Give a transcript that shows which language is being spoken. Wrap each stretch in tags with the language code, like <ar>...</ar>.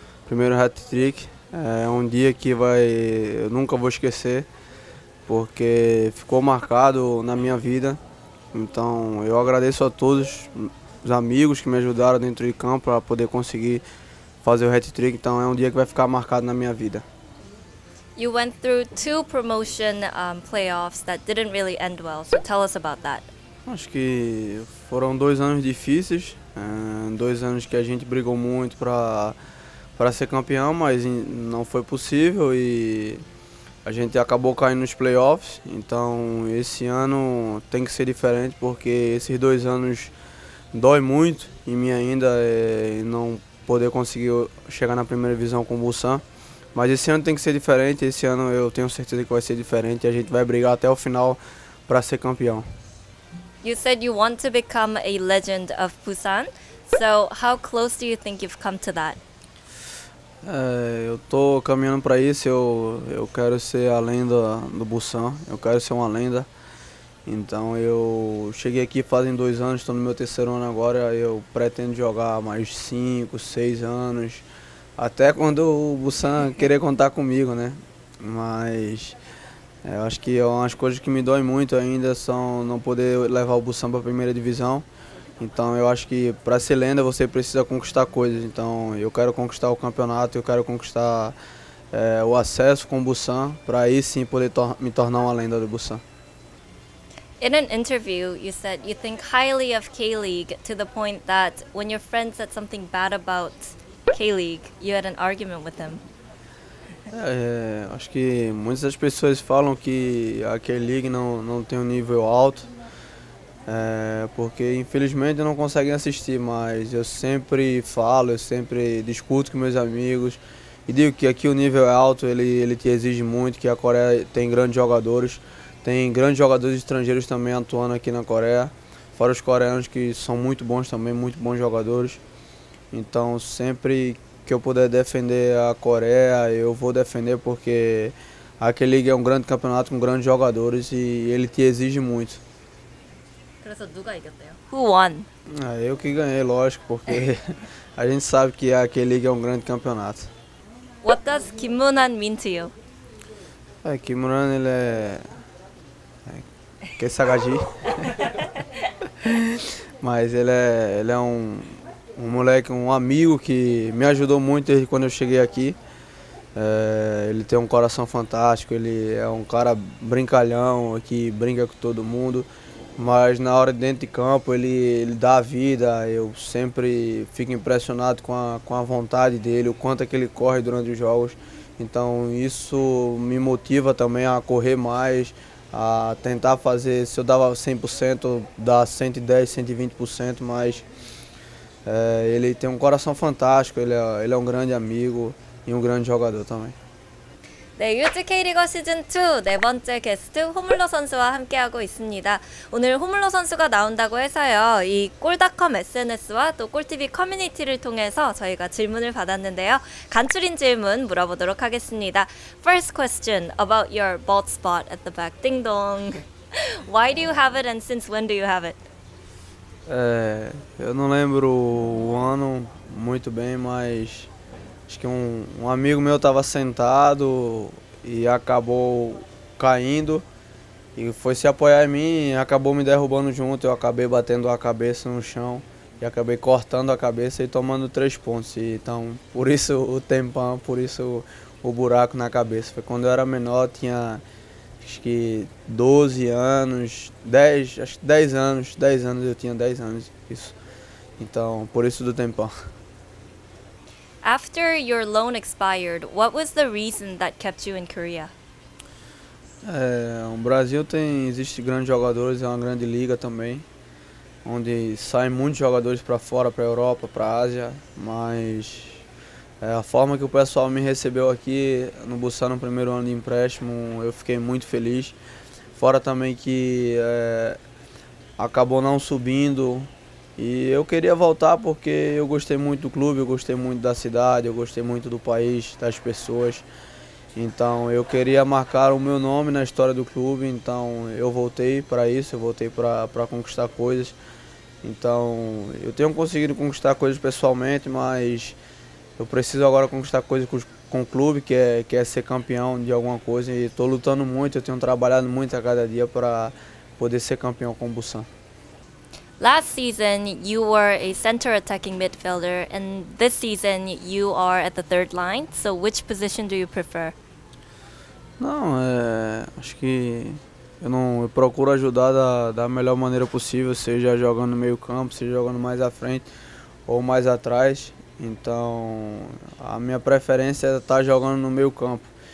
<pt>Primeiro hat-trick. É um dia que eu nunca vou esquecer, porque ficou marcado na minha vida. Então, eu agradeço a todos os amigos que me ajudaram dentro de campo para poder conseguir fazer o hat-trick. Então, é um dia que vai ficar marcado na minha vida.</pt> <en>You went through two promotion playoffs that didn't really end well. So, tell us about that.</en> <pt>Acho que foram dois anos difíceis. Dois anos que a gente brigou muito para ser campeão, mas não foi possível. E a gente acabou caindo nos playoffs, então esse ano tem que ser diferente, porque esses dois anos dói muito em mim ainda, não poder conseguir chegar na primeira divisão com o Busan. Mas esse ano tem que ser diferente, esse ano eu tenho certeza que vai ser diferente, e a gente vai brigar até o final para ser campeão.</pt> <en>You said you want to become a legend of Busan, so how close do you think you've come to that?</en> <pt>Eu tô caminhando para isso, eu quero ser a lenda do Busan, eu quero ser uma lenda. Então eu cheguei aqui fazem dois anos, estou no meu terceiro ano agora, eu pretendo jogar mais 5, 6 anos, até quando o Busan querer contar comigo, né? Mas eu acho que umas coisas que me doem muito ainda são não poder levar o Busan para a primeira divisão. Então eu acho que para ser lenda você precisa conquistar coisas, então eu quero conquistar o campeonato, eu quero conquistar o acesso com o Busan, para aí sim poder me tornar uma lenda do Busan.</pt> <en>In an interview, you said you think highly of K-League to the point that when your friend said something bad about K-League, you had an argument with him.</en> <pt>Acho que muitas das pessoas falam que a K-League não tem um nível alto, porque infelizmente não conseguem assistir, mas eu sempre falo, eu sempre discuto com meus amigos e digo que aqui o nível é alto, ele te exige muito, que a Coreia tem grandes jogadores estrangeiros também atuando aqui na Coreia, fora os coreanos que são muito bons também, muito bons jogadores. Então sempre que eu puder defender a Coreia, eu vou defender, porque a K-League é um grande campeonato com grandes jogadores e ele te exige muito.</pt> <ko>그래서 누가 이겼대요?</ko> <en>Who won?</en> <pt>Ah, eu que ganhei, lógico, porque a gente sabe que a K-League é um grande campeonato.</pt> <en>What does Kim Moon-han mean to you?</en> <pt>Kim Moon-han, ele é Kesagaji. Mas ele é um moleque, um amigo que me ajudou muito desde quando eu cheguei aqui. Ele tem um coração fantástico, ele é um cara brincalhão, que brinca com todo mundo. Mas na hora de dentro de campo ele dá a vida, eu sempre fico impressionado com a vontade dele, o quanto é que ele corre durante os jogos. Então isso me motiva também a correr mais, a tentar fazer, se eu dava 100%, dá 110%, 120%, mas ele tem um coração fantástico, ele é um grande amigo e um grande jogador também.</pt> <ko>네, 유즈 K리거 시즌2 네 번째 게스트 호물로 선수와 함께하고 있습니다. 오늘 호물로 선수가 나온다고 해서요. 이 꼴닷컴 SNS와 또 꼴TV 커뮤니티를 통해서 저희가 질문을 받았는데요. 간추린 질문 물어보도록 하겠습니다.</ko> <en>First question about your bald spot at the back. Ding dong. Why do you have it and since when do you have it?</en> <pt>에...eu não lembro o ano muito bem, mas acho que um amigo meu estava sentado e acabou caindo e foi se apoiar em mim e acabou me derrubando junto. Eu acabei batendo a cabeça no chão e acabei cortando a cabeça e tomando 3 pontos. Então, por isso o tempão, por isso o buraco na cabeça. Foi quando eu era menor, tinha acho que 12 anos, 10, acho que 10 anos, 10 anos, eu tinha 10 anos, isso. Então, por isso do tempão.</pt> <en>After your loan expired, what was the reason that kept you in Korea?</en> <pt>O Brasil existe grandes jogadores, é uma grande liga também, onde saem muitos jogadores para fora, para a Europa, para a Ásia, mas a forma que o pessoal me recebeu aqui no Busan no primeiro ano de empréstimo, eu fiquei muito feliz. Fora também que acabou não subindo e eu queria voltar porque eu gostei muito do clube, eu gostei muito da cidade, eu gostei muito do país, das pessoas. Então eu queria marcar o meu nome na história do clube, então eu voltei para isso, eu voltei para conquistar coisas. Então eu tenho conseguido conquistar coisas pessoalmente, mas eu preciso agora conquistar coisas com o clube, que é ser campeão de alguma coisa. E estou lutando muito, eu tenho trabalhado muito a cada dia para poder ser campeão com o Busan.</pt> <en>Last season, you were a center attacking midfielder, and this season, you are at the third line. So, which position do you prefer?</en> <pt>Não, acho que eu procuro ajudar da melhor maneira possível, seja jogando no meio campo, seja jogando mais à frente ou mais atrás. Então, a minha preferência é estar jogando no meio campo.</pt>